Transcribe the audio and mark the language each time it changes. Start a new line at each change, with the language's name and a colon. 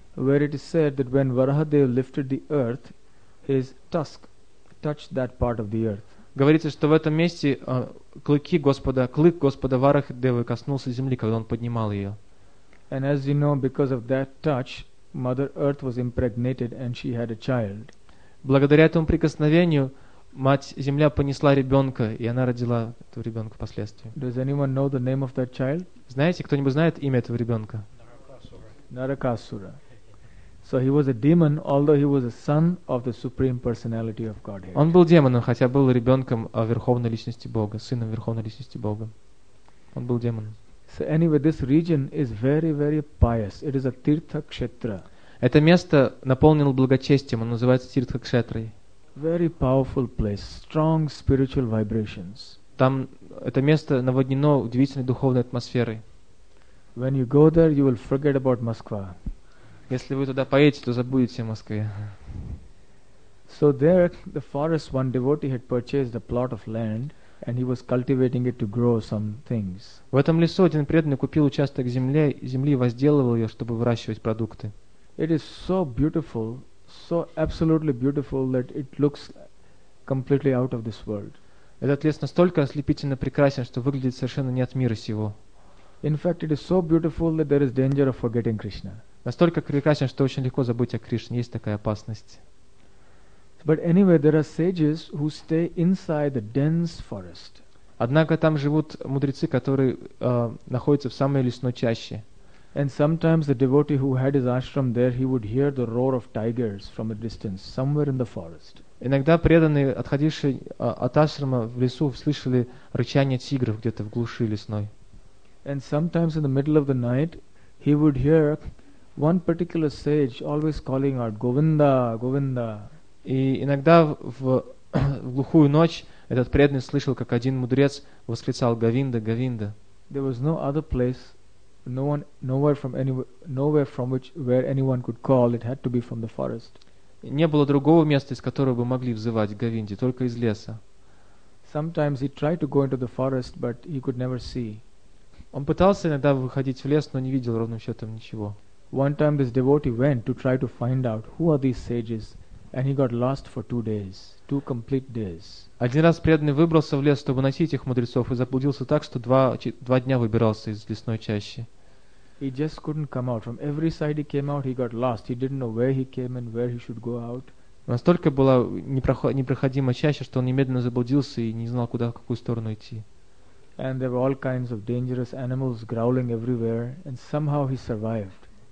English: Where it is said that when Varahadev lifted the earth, his tusk touched that part of the earth.
Russian: Говорится, что в этом месте клыки Господа, клык Господа Варахадевы коснулся земли, когда он поднимал ее.
English: And as you know, because of that touch, Mother Earth was impregnated and she had a child.
Russian: Благодаря этому прикосновению Мать Земля понесла ребенка, и она родила этого ребенка впоследствии.
English: Does anyone know the name of that child?
Russian: Знаете, кто-нибудь знает имя этого ребенка?
English: Наракасура. So he was a demon, although he was a son of the Supreme Personality of Godhead.
Russian: Он был демоном, хотя был ребенком Верховной Личности Бога, сыном Верховной Личности Бога. Он был демоном.
English: So anyway, this region is very, very pious. It is a Tirtha Kshetra.
Russian: Это место наполнено благочестием, оно называется Тиртха Кшетрой.
English: Very powerful place, strong spiritual vibrations.
Russian: Там это место наводнено удивительной духовной атмосферой.
English: When you go there, you will forget about Москва.
Russian: Если вы туда поедете, то забудете о Москве.
English: So there, the forest, one devotee had purchased a plot of land, and he was cultivating it to grow some things.
Russian: В этом лесу один преданный купил участок земли и возделывал ее, чтобы выращивать продукты.
English: It is so beautiful. So absolutely beautiful that it looks completely out of this world.
Russian: Этот лес настолько ослепительно прекрасен, что выглядит совершенно не от мира сего.
English: In fact, it is so beautiful that there is danger of forgetting Krishna.
Russian: Настолько прекрасен, что очень легко забыть о Кришне. Есть такая опасность.
English: But anyway, there are sages who stay inside the dense forest.
Russian: Однако там живут мудрецы, которые находятся в самой лесной чаще.
English: And sometimes the devotee who had his ashram there, he would hear the roar of tigers from a distance, somewhere in the forest.
Russian: Иногда преданные, отходившие от ашрама в лесу, слышали рычание тигров где-то в глуши лесной.
English: And sometimes in the middle of the night, he would hear one particular sage always calling out, Govinda, Govinda.
Russian: И иногда в глухую ночь этот преданный слышал, как один мудрец восклицал Говинда, Говинда.
English: There was no other place. No one, nowhere from which where anyone could call. It had to be from the forest.
Russian: Не было другого места, из которого бы могли взывать Говинде, только из леса.
English: Sometimes he tried to go into the forest, but he could never see.
Russian: Он пытался иногда выходить в лес, но не видел ровным счетом ничего.
English: One time this devotee went to try to find out who are these sages And he got lost for 2 days, 2 complete days.
Russian: Один раз преданный выбрался в лес, чтобы найти этих мудрецов, и заблудился так, что два дня выбирался из лесной чащи.
English: He just couldn't come out. From every side he came out, he got lost. He didn't know where he came and where he should go out.
Russian: Настолько была непроходима чаща, что он немедленно заблудился и не знал, куда, в какую сторону идти.
English: And there were all kinds of dangerous animals growling everywhere, and somehow he survived.